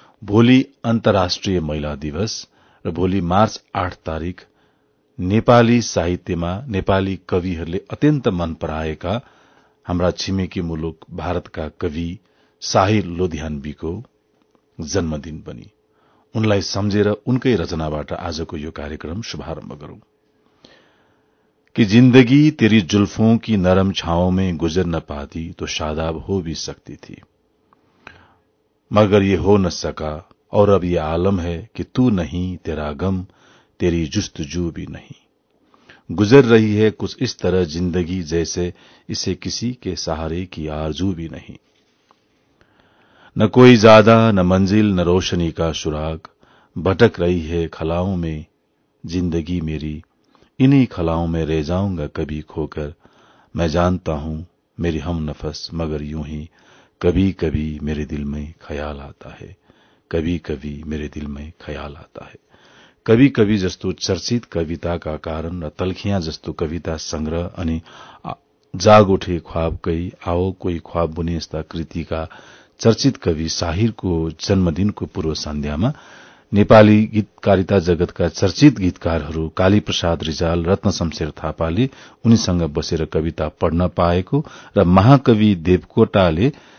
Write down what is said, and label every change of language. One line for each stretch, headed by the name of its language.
Nepali: भोलि अन्तर्राष्ट्रिय महिला दिवस र भोलि मार्च 8 तारीक नेपाली साहित्यमा नेपाली कविहरूले अत्यन्त मन पराएका हाम्रा छिमेकी मुलुक भारतका कवि साहिर लोधियानवीको जन्मदिन पनि। उनलाई सम्झेर उनकै रचनाबाट आजको यो कार्यक्रम शुभारम्भ गरौं।
Hindi: कि जिन्दगी तेरी जुल्फों की नरम छाओं में गुजर न पाती तो शादाब हो भी सकती थी, मगर ये हो न सका और अब ये आलम है कि तू नहीं तेरा गम तेरी जुस्तजू भी नहीं। गुजर रही है कुछ इस तरह जिंदगी जैसे इसे किसी के सहारे की आरजू भी नहीं। न कोई ज्यादा न मंजिल न रोशनी का सुराग, भटक रही है खलाओं में जिंदगी मेरी, इन्हीं खलाओं में रह जाऊंगा कभी खोकर, मैं जानता हूं मेरी हम नफस मगर यूं ही कभी कभी मेरे दिल में ख्याल आता है, कभी कभी मेरे दिल में ख्याल आता है।
Nepali: कभी कभी जस्तो चर्चित कविता का कारण र तलखियां जस्तो कविता संग्रह अनि जाग उठे ख्वाब कई आओ कोई ख्वाब बुने यस्ता कृति का चर्चित कवि साहिर को जन्मदिन को पूर्व संध्या में नेपाली गीतकारिता जगतका चर्चित गीतकारहरू कालीप्रसाद रिजाल रत्नशमशेर थापाले उनीसँग बसेर कविता पढ्न पाएको र महाकवि देवकोटाले